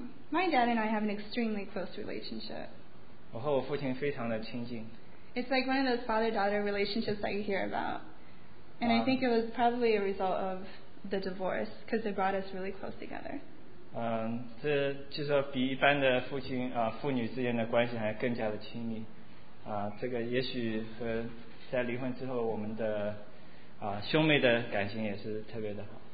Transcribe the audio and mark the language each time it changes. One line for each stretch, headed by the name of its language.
English: My dad and I have an extremely close relationship.
Chinese: 我和我父亲非常的亲近。
English: It's like one of those father-daughter relationships that you hear about. And I think it was probably a result of the divorce, because it brought us really close together.
Chinese: 这就是说比一般的父亲父女之间的关系还更加的亲密。这个也许和在离婚之后我们的兄妹的感情也是特别的好。